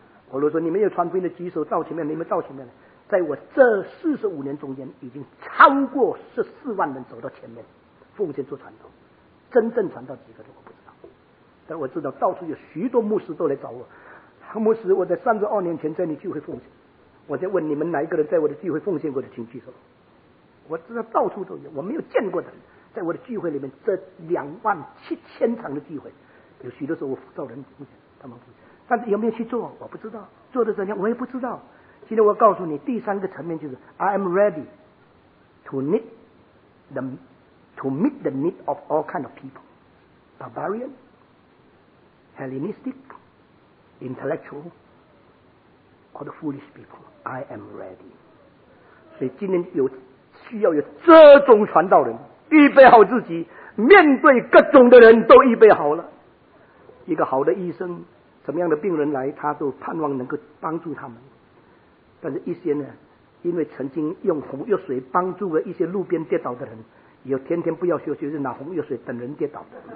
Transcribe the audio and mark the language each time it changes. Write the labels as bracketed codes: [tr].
[zh] 我如果说你们有传福音的举手照前面，你们照前面，在我这45年中间已经超过14万人走到前面奉献做传道，真正传道几个人我不知道，但我知道到处有许多牧师都来找我，牧师我在32年前在你聚会奉献，我在问你们哪一个人在我的聚会奉献过的请举手。我知道到处都有，我没有见过的人在我的聚会里面，这27000场的聚会，有许多时候我辅导人奉献，他们奉献，但是有没有去做我不知道，做的怎样我也不知道。今天我告诉你第三个层面，就是 [en] I am ready to meet the need of all kind of people, barbarian, Hellenistic, intellectual, or the foolish people. I am ready. [zh] 所以今天有需要有这种传道人，预备好自己，面对各种的人都预备好了。一个好的医生，什么样的病人来，他都盼望能够帮助他们。但是一些呢，因为曾经用红药水帮助了一些路边跌倒的人，有天天不要休息，就是拿红药水等人跌倒的。